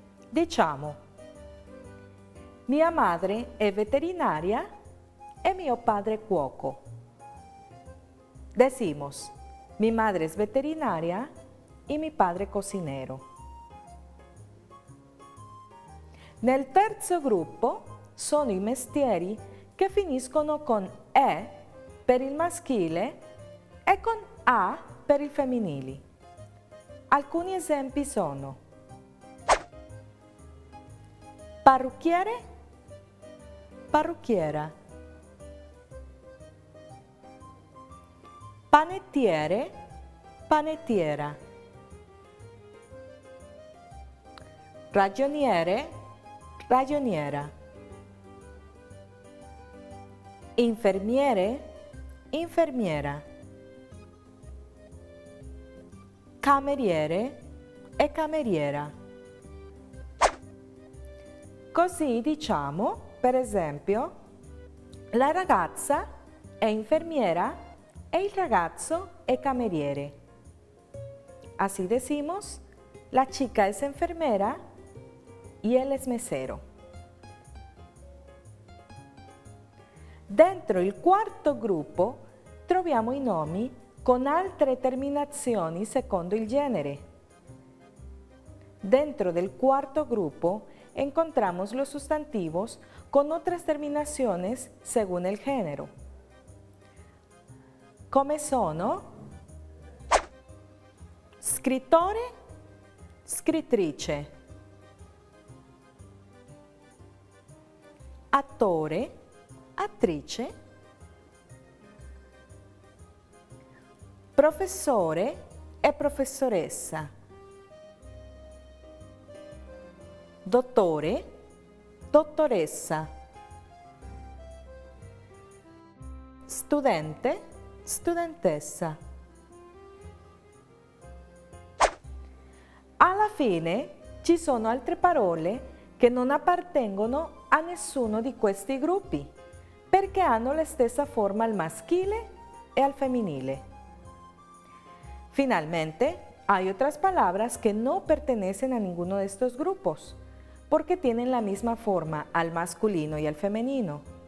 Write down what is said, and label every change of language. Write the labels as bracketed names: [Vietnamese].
[Italian] Diciamo: mia madre è veterinaria e mio padre cuoco. [Spanish] Decimos: mi madre es veterinaria y mi padre cocinero. [Italian] Nel terzo gruppo sono i mestieri che finiscono con E per il maschile e con A per il femminile. Alcuni esempi sono: parrucchiere, parrucchiera. Panettiere, panettiera. Ragioniere, ragioniera. Infermiere, infermiera. Cameriere e cameriera. Così diciamo, per esempio, la ragazza è infermiera e il ragazzo è cameriere. [Spanish] Así decimos, la chica es enfermera y él es mesero. [Italian] Dentro il quarto gruppo troviamo i nomi con altre terminazioni secondo il genere. [Spanish] Dentro del quarto gruppo encontramos los sustantivos con otras terminaciones según el género. [Italian] Come sono? Scrittore, scrittrice. Attore, attrice. Professore e professoressa. Dottore, dottoressa. Studente, studentessa. Alla fine ci sono altre parole che non appartengono a nessuno di questi gruppi perché hanno la stessa forma al maschile e al femminile. [Spanish] Finalmente, hay otras palabras que no pertenecen a ninguno de estos grupos porque tienen la misma forma al masculino y al femenino.